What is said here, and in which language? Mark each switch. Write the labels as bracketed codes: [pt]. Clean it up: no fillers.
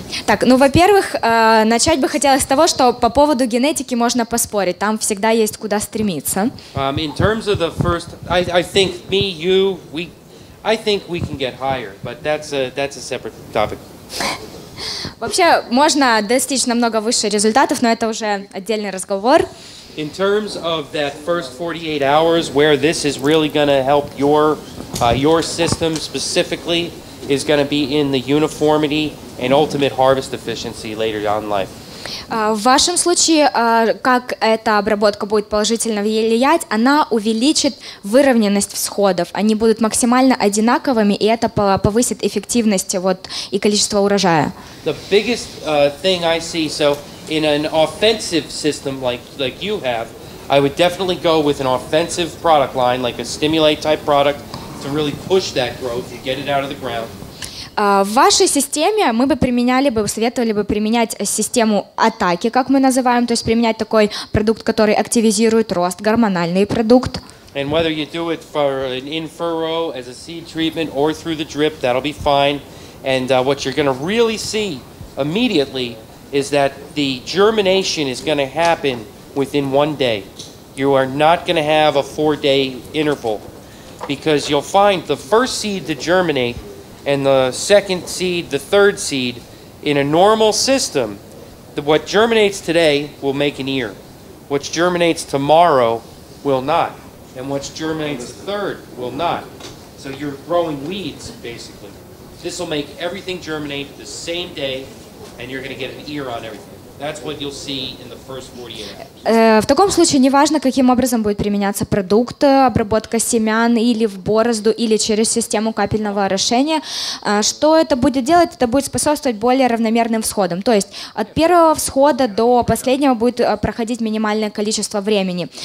[ru] Так, ну, во-первых, начать бы хотелось с того, что по поводу генетики можно поспорить. Там всегда есть куда стремиться. [en] In terms of the first, I think me, you, we, I think we can get higher, but that's a separate topic. [ru] Вообще, можно достичь намного выше результатов, но это уже отдельный разговор. [en] In terms of that first 48 hours, where this is really going to help your system specifically, is going to be in the uniformity and ultimate harvest efficiency later on in life. [ru] В вашем случае, как эта обработка будет положительно влиять, она увеличит выровненность всходов. Они будут максимально одинаковыми, и это повысит эффективность вот, и количество урожая. [en] The biggest thing I see, so in an offensive system like you have, I would definitely go with an offensive product line, like a stimulate type product, to really push that growth and get it out of the ground. [ru] В вашей системе мы бы советовали бы применять систему атаки, как мы называем, то есть применять такой продукт, который активизирует рост, гормональный продукт. [en] And whether you do it for an in-furrow, as a seed treatment, or through the drip, that'll be fine. And what you're going to really see immediately is that the germination is going to happen within one day. You are not going to have a four-day interval, because you'll find the first seed to germinate and the second seed, the third seed, in a normal system, what germinates today will make an ear. which germinates tomorrow will not, and which germinates third will not. So you're growing weeds, basically. This will make everything germinate the same day, and you're going to get an ear on everything. That's what you'll see in the first 48 hours. [ru] В таком случае неважно, каким образом будет применяться продукт, обработка семян или в борозду, или через систему капельного орошения. Что это будет делать? Это будет способствовать более равномерным всходам. То есть от первого всхода до последнего будет проходить минимальное количество времени.